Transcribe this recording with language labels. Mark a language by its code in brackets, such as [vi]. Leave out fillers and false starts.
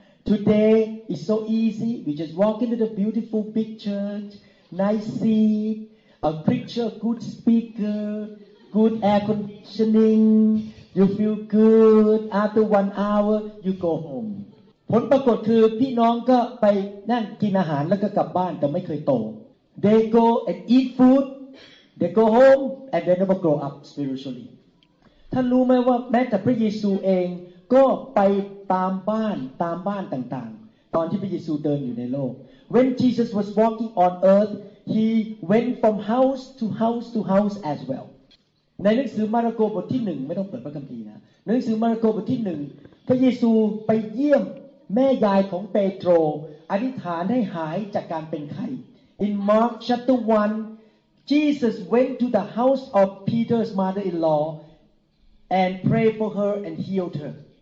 [en] Today is so easy we just walk into the beautiful big church nice seat a preacher good speaker good air conditioning you feel good after 1 hour you go home [th] ผลปรากฏคือพี่น้องก็ไปนั่งกินอาหารแล้วก็กลับบ้านแต่ไม่เคยโต [en] They go and eat food. They go home and they never grow up spiritually. [th] ท่านรู้ไหมว่าแม้แต่พระเยซูเองก็ไปตามบ้านต่างๆตอนที่พระเยซูเดินอยู่ในโลก [en] When Jesus was walking on earth, he went from house to house to house as well. [th] ในหนังสือมาระโกบทที่หนึ่งไม่ต้องเปิดพระคัมภีร์นะหนังสือมาระโกบทที่หนึ่งพระเยซูไปเยี่ยมแม่ยายของเปโตรอธิษฐานให้หายจากการเป็นไข้ [en] In Mark chapter 1, Jesus went to the house of Peter's mother-in-law and prayed for her and healed her.